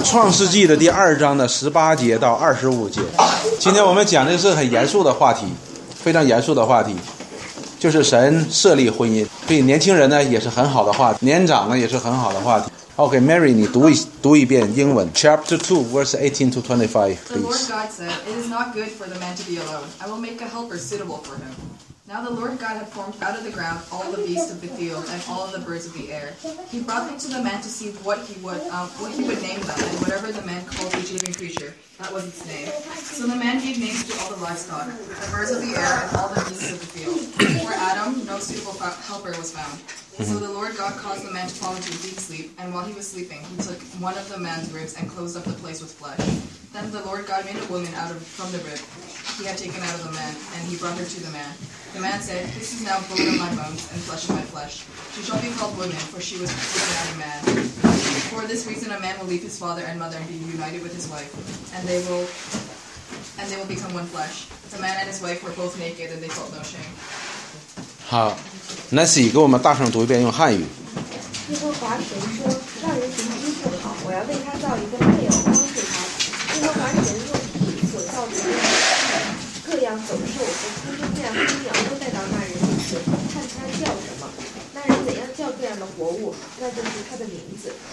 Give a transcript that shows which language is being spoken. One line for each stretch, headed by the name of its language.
Chinese: 创世纪的第二章的十八节到二十五节。今天我们讲的是很严肃的话题，非常严肃的话题，就是神设立婚姻。对年轻人呢也是很好的话题，年长呢也是很好的话题。 OK, Mary, 你读一遍英文。
English: Chapter 2, verse 18 to 25, please. The Lord God said, "It is not good for the man to be alone. I will make a helper suitable for him." Now the Lord God had formed out of the ground all the beasts of the field and all the birds of the air. He brought them to the man to see what he would name them, and whatever the man called each living creature, that was its name. So the man gave names to all the livestock, the birds of the air, and all the beasts of the field. For Adam, no suitable helper was found. So the Lord God caused the man to fall into a deep sleep, and while he was sleeping, he took one of the man's ribs and closed up the place with flesh. Then the Lord God made a woman from the rib he had taken out of the man, and he brought her to the man. The man said, "This is now bone of my bones and flesh of my flesh. She shall be called woman, for she was taken out of man. For this reason, a man will leave his father and mother and be united with his wife, and they will become one flesh. The man and his wife were both naked, and they felt no shame."
Chinese: 好。 Nancy, 给我们大声读一遍用汉语。耶和华神说，让人行医治好，我要为他造一个配偶帮助他。耶和华神用体所造的各样走兽和空中各样飞鸟都带到那人面前，看他叫什么，那人怎样叫各样的活物，那就是他的名字。